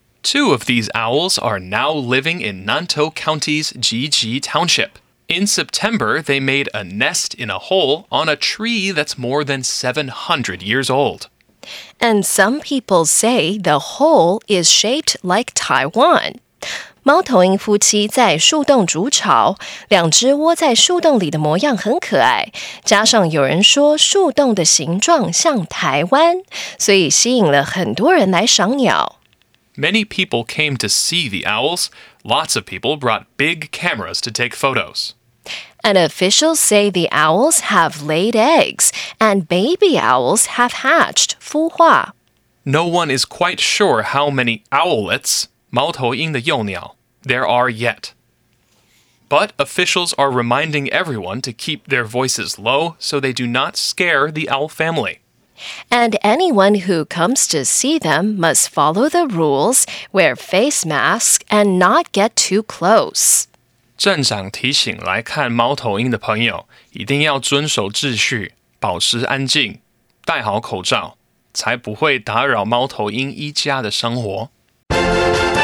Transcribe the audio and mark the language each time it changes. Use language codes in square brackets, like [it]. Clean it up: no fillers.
[en] Two of these owls are now living in Nantou County's Jiji Township. In September, they made a nest in a hole on a tree that's more than 700 years old. And some people say the hole is shaped like Taiwan. [zh] 猫头鹰夫妻在树洞筑巢，两只窝在树洞里的模样很可爱，加上有人说树洞的形状像台湾，所以吸引了很多人来赏鸟。 [en] Many people came to see the owls. Lots of people brought big cameras to take photos. And officials say the owls have laid eggs, and baby owls have hatched, [zh] 孵化. [en] No one is quite sure how many owlets, [zh] 猫头鹰的幼鸟, [en] there are yet. But officials are reminding everyone to keep their voices low so they do not scare the owl family. And anyone who comes to see them must follow the rules, wear face masks, and not get too close. [zh] 站长提醒来看猫头鹰的朋友，一定要遵守秩序，保持安静，戴好口罩，才不会打扰猫头鹰一家的生活。